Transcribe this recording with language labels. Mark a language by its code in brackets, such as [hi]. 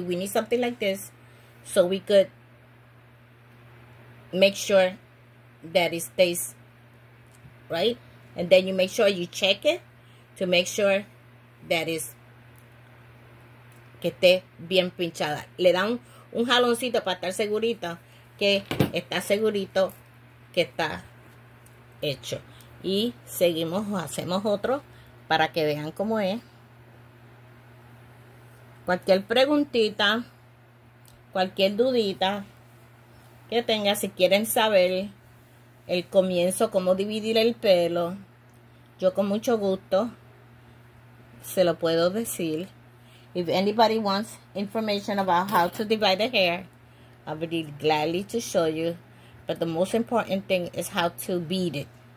[en] We need something like this so we could make sure that it stays right. And then you make sure you check it to make sure that is [es] que esté bien pinchada. Le dan un jaloncito para estar segurito que está segurito que está hecho. Y seguimos, hacemos otro para que vean cómo es. Cualquier preguntita, cualquier dudita que tenga, si quieren saber el comienzo, cómo dividir el pelo, yo con mucho gusto se lo puedo decir. [en] If anybody wants information about how to divide the hair, I'll be gladly to show you. But the most important thing is how to beat it.